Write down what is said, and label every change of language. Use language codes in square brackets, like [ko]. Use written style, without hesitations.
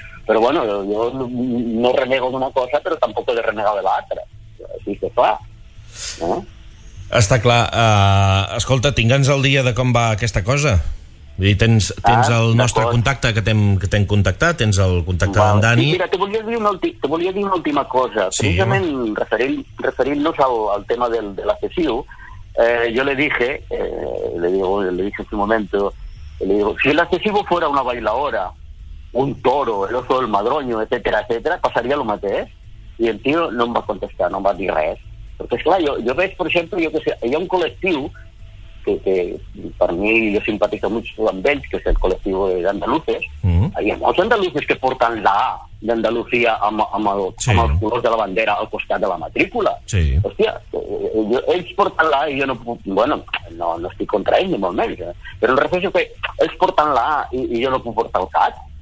[ca] Però bueno, jo no renego d'una cosa, però tampoc he de renegar de l'altra. Així que clar, no? Està clar. Escolta, tinga'ns el dia de com va aquesta cosa. Vull dir, tens el nostre contacte que t'hem contactat, tens el contacte d'en Dani. Mira, te volia dir una última cosa. Sí. Precisament referint-nos al tema de l'assessiu, [es] yo le dije, le dije en su momento, le digo, si el asesivo fuera una bailadora, un toro, el oso del Madroño, etcétera, etcétera, pasaría lo mateix. Y el tío no me va a contestar, no me va a decir res. Porque es claro, yo veo, por ejemplo, yo que sé, hay un colectivo que para mí yo simpatizo mucho con ellos, que es el colectivo de andaluces. Uh-huh. Hay muchos andaluces que portan la A de Andalucía [ca] amb els colors de la bandera al costat de la matrícula. [es] Sí. [ca] Hòstia, ells porten la A i jo no puc... Bueno, no estic contra ells, ni molt menys. Eh? Però el refereixo que ells porten la A i jo no puc portar el cat.